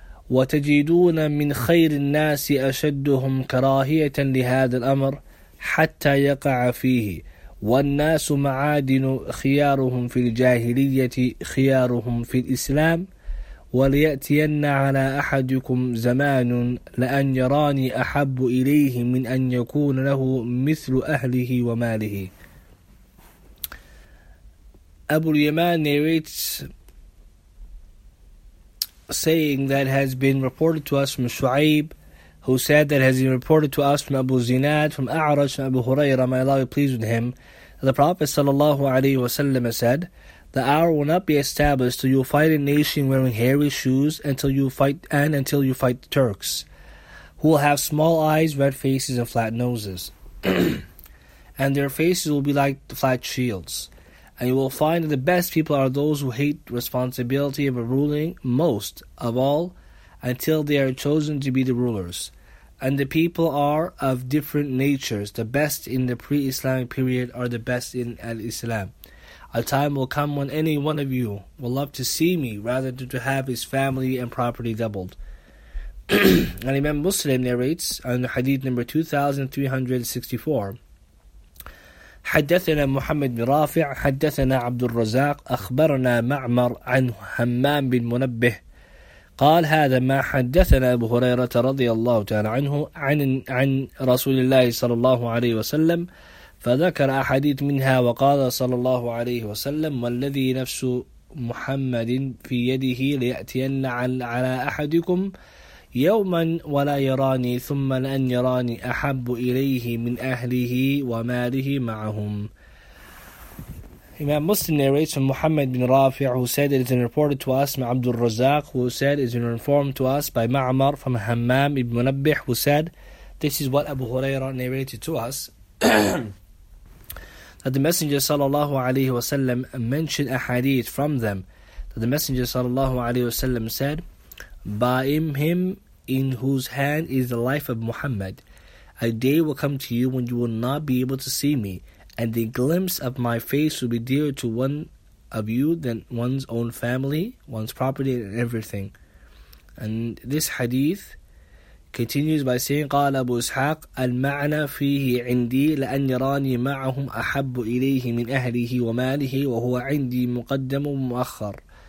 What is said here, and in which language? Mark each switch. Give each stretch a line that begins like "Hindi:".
Arabic: وتجدون من خير الناس أشدهم كراهية لهذا الأمر حتى يقع فيه والناس معادن خيارهم في الجاهلية خيارهم في الإسلام وليأتين على أحدكم زمان لأن يراني أحب إليه من أن يكون له مثل أهله وماله.
English: Abu Yaman narrates, saying that has been reported to us from Shu'aib, who said that has been reported to us from Abu Zinad, from A'raj, from Abu Huraira, may Allah be pleased with him, the Prophet sallallahu alayhi wa sallam said, the hour will not be established till you fight a nation wearing hairy shoes until you fight the Turks, who will have small eyes, red faces, and flat noses. And their faces will be like the flat shields. And you will find that the best people are those who hate responsibility of a ruling most of all until they are chosen to be the rulers. And the people are of different natures. The best in the pre-Islamic period are the best in Al-Islam. A time will come when any one of you will love to see me rather than to have his family and property doubled. And Imam Muslim narrates on Hadith number 2364,
Arabic: حدثنا محمد بن رافع حدثنا عبد الرزاق أخبرنا معمر عن همام بن منبه قال هذا ما حدثنا أبو هريرة رضي الله تعالى عنه عن رسول الله صلى الله عليه وسلم فذكر أحاديث منها وقال صلى الله عليه وسلم والذي نفس محمد في يده ليأتين على أحدكم يوما ولا يراني ثم لأن يراني أحب إليه من أهله وماله معهم.
English: Imam Muslim narrates from Muhammad bin Rafi' who said it is reported to us from Abdul Razak who said it is informed to us by Ma'mar from Hammam ibn Munabbih who said this is what Abu Huraira narrated to us. That the Messenger sallallahu alaihi wasallam mentioned a hadith from them. That the Messenger sallallahu alaihi wasallam said, "By him in whose hand is the life of Muhammad, a day will come to you when you will not be able to see me, and the glimpse of my face will be dearer to one of you than one's own family, one's property, and everything." And this hadith continues by saying,
Arabic: قال أبو إسحاق المعنى فيه عندي لأن يراني معهم أحب إليه من أهله وماله وهو عندي مقدم ومؤخر.